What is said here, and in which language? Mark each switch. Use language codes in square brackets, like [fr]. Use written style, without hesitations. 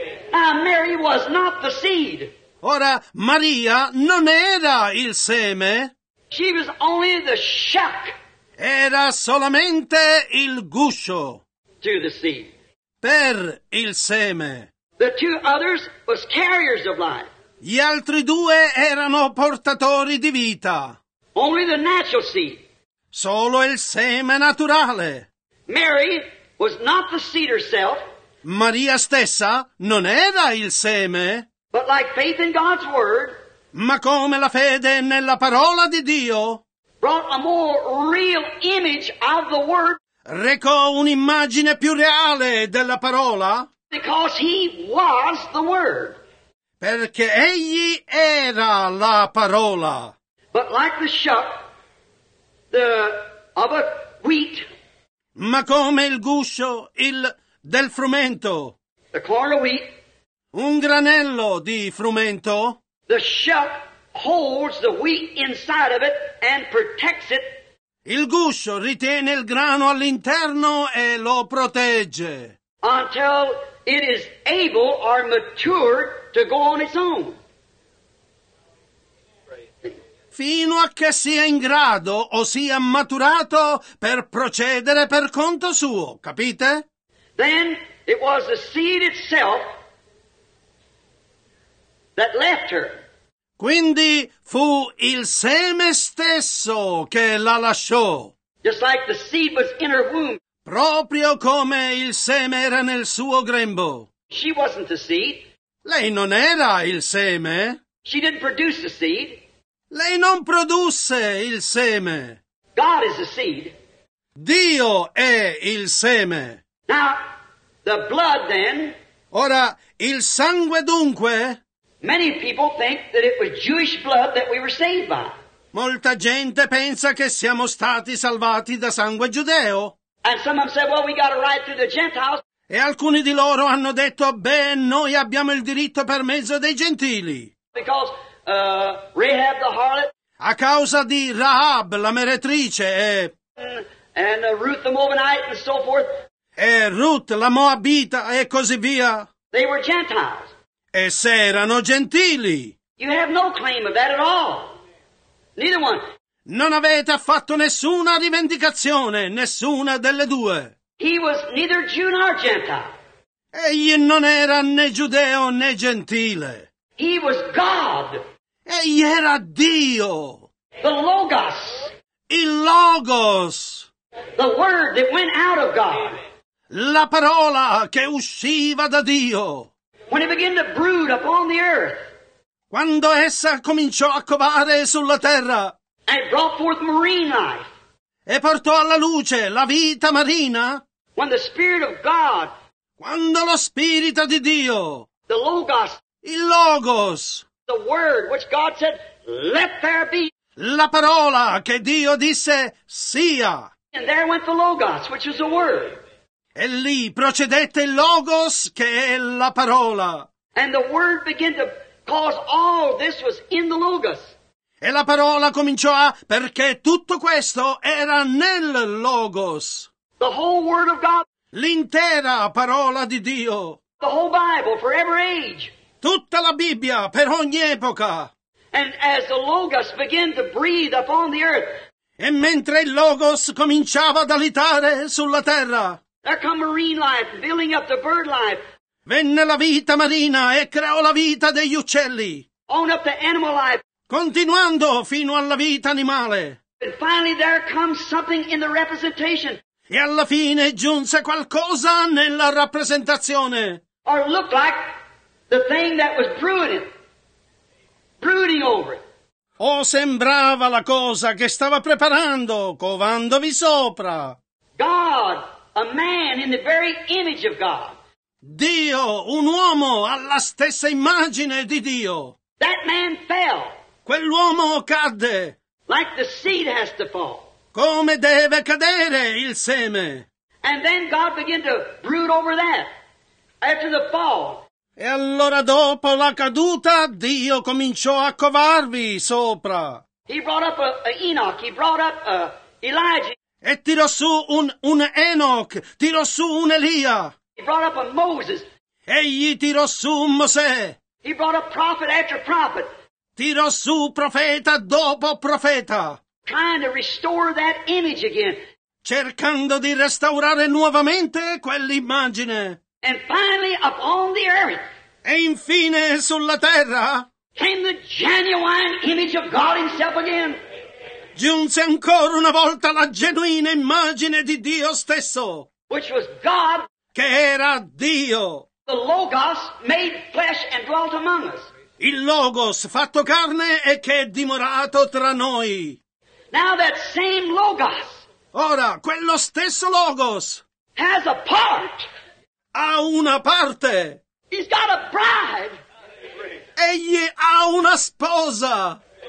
[en] Now Mary was not the seed. [it] Ora, Maria non era il seme. [en] She was only the shuck. [it] Era solamente il guscio. [en] To the seed. [it] Per il seme. [en] The two others was carriers of life. [it] Gli altri due erano portatori di vita. [en] Only the natural seed. [it] Solo il seme naturale. [en] Mary was not the seed herself. [it] Maria stessa non era il seme. [en] But like faith in God's word. [it] Ma come la fede nella parola di Dio. [en] Brought a more real image of the word. [it] Recò un'immagine più reale della parola. [en] Because he was the word. [it] Perché egli era la parola. [en] But like the shuck, the of a wheat. [it] Ma come il guscio, il del frumento. [en] The corn of wheat. [it] Un granello di frumento. [en] The shuck holds the wheat inside of it and protects it. [it] Il guscio ritiene il grano all'interno e lo protegge. [en] Until it is able or mature to go on its own. [it] Fino a che sia in grado o sia maturato per procedere per conto suo, capite? [en] Then it was the seed itself that left her. [it] Quindi fu il seme stesso che la lasciò. [en] Just like the seed was in her womb. [it] Proprio come il seme era nel suo grembo. [en] She wasn't the seed. [it] Lei non era il seme. [en] She didn't produce the seed. [it] Lei non produsse il seme. [en] God is the seed. [it] Dio è il seme. [en] Now, the blood then. [it] Ora, il sangue dunque. [en] Many people think that it was Jewish blood that we were saved by. [it] Molta gente pensa che siamo stati salvati da sangue giudeo. [en] And some of them said, well, we got a right through the Gentiles. [it] E alcuni di loro hanno detto, beh, noi abbiamo il diritto per mezzo dei gentili. [en] Because Rahab the harlot. [it] A causa di Rahab, la meretrice, e... [en] And Ruth the Moabite and so forth. [it] E Ruth la Moabita e così via. [en] They were Gentiles. [it] E se erano gentili. [en] You have no claim of that at all. Neither one. [it] Non avete affatto nessuna rivendicazione, nessuna delle due. [en] He was neither Jew nor Gentile. [it] Egli non era né giudeo né gentile. [en] He was God. [it] Egli era Dio. [en] The Logos. [it] Il Logos. [en] The word that went out of God. [it] La parola che usciva da Dio. [en] When it began to brood upon the earth. [it] Quando essa cominciò a covare sulla terra. [en] And it brought forth marine life. [it] E portò alla luce la vita marina. [en] When the Spirit of God. [it] Quando lo Spirito di Dio. [en] The Logos. [it] Il Logos. [en] The word which God said, let there be. [it] La parola che Dio disse, sia. [en] And there went the Logos, which is the word. [it] E lì procedette il Logos, che è la parola. [en] And the word began to cause all this was in the Logos. [it] E la parola cominciò a, perché tutto questo era nel Logos. [en] The whole word of God. [it] L'intera parola di Dio. [en] The whole Bible for every age. [it] Tutta la Bibbia per ogni epoca. [en] And as the Logos began to breathe upon the earth. [it] E mentre il Logos cominciava ad alitare sulla terra. [en] There come marine life, filling up the bird life. [it] Venne la vita marina e creò la vita degli uccelli. [en] On up the animal life. [it] Continuando fino alla vita animale. [en] And finally there comes something in the representation. [it] E alla fine giunse qualcosa nella rappresentazione. [en] Or looked like the thing that was brooding. Brooding over it. [it] O sembrava la cosa che stava preparando, covandovi sopra. [en] God, a man in the very image of God. [it] Dio, un uomo alla stessa immagine di Dio. [en] That man fell. [it] Quell'uomo cadde. [en] Like the seed has to fall. [it] Come deve cadere il seme. [en] And then God began to brood over that. After the fall. [it] E allora dopo la caduta, Dio cominciò a covarvi sopra. [en] He brought up a Enoch, he brought up a Elijah. [it] E tirò su un Enoch, tirò su un Elia. [en] He brought up a Moses. [it] Egli tirò su un Mosè. [en] He brought up prophet after prophet. [it] Tirò su profeta dopo profeta. [en] Trying to restore that image again. [it] Cercando di restaurare nuovamente quell'immagine. [en] And finally upon the earth. [it] E infine sulla terra. [en] Came the genuine image of God himself again. [it] Giunse ancora una volta la genuina immagine di Dio stesso. [en] Which was God. [it] Che era Dio. [en] The Logos made flesh and dwelt among us. [it] Il Logos fatto carne e che è dimorato tra noi. [en] Now that same Logos. [it] Ora, quello stesso Logos. [en] Has a part. [it] Ha una parte. [en] He's got a bride. [it] Egli ha una sposa.